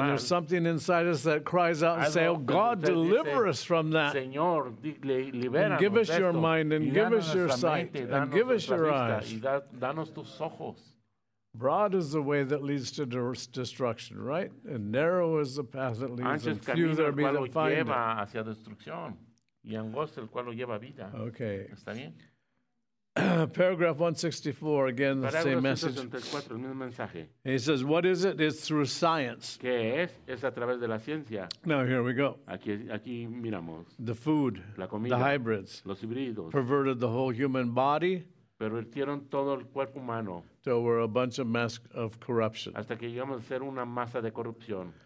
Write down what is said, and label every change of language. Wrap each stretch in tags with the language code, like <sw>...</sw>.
<en>And there's something inside us that cries out and say, oh, God, deliver us from that.</en> <es>Señor,</es> <en>and give us your mind and give us your sight and give us your eyes.</en> <es>Y danos tus ojos.</es> <en>Broad is the way that leads to destruction, right? And narrow is the path that leads, and few there be that find it.</en> <es>Hacia destrucción, y angosto el cual lo lleva vida.</es> <en>Okay.</en> <es>¿Está bien?</es> <en>Paragraph 164, again, the Paragraph same message.</en> <es>164, el mismo mensaje.</es> <en>He says, what is it? It's through science.</en> <es>¿Qué es? Es a través de la ciencia.</es> <en>Now, here we go.</en> <es>Aquí miramos.</es> <en>The food,</en> <es>la comida,</es> <en>the hybrids,</en> <es>los híbridos,</es> <en>perverted the whole human body.</en> <es>Pervertieron todo el cuerpo humano.</es> <en>So we're a bunch of mask of corruption.</en> <es>Hasta que llegamos a ser una masa de corrupción.</es>